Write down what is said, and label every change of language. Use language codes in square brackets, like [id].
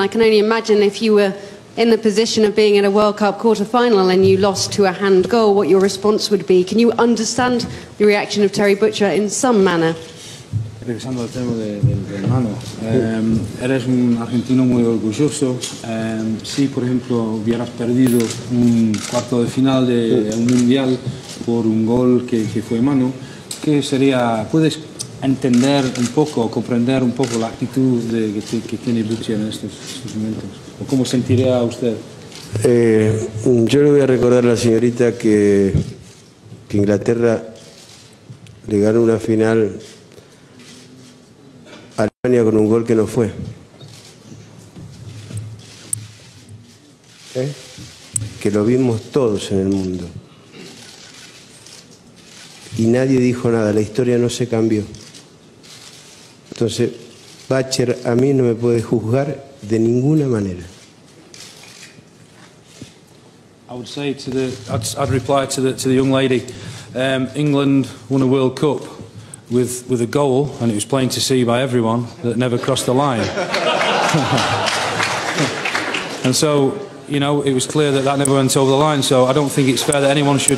[en] I can only imagine if you were in the position of being in a World Cup quarterfinal and you lost to a hand goal, what your response would be. Can you understand the reaction of Terry Butcher in some manner? [es] Regresando al tema de hermano, eres un argentino muy orgulloso. Si, por ejemplo, hubieras perdido un cuarto de final de un mundial por un gol que fue mano, ¿qué sería? ¿Puedes entender un poco, comprender un poco la actitud que tiene Butcher en estos momentos? ¿O cómo sentiría a usted? Yo le voy a recordar a la señorita que Inglaterra le ganó una final Alemania con un gol que no fue. Que lo vimos todos en el mundo. Y nadie dijo nada, la historia no se cambió. Entonces, Butcher a mí no me puede juzgar de ninguna manera. [en] I would say to the I'd reply to the young lady, England won a World Cup with a goal, and it was plain to see by everyone that never crossed the line. And so, you know, it was clear that never went over the line. So I don't think it's fair that anyone should.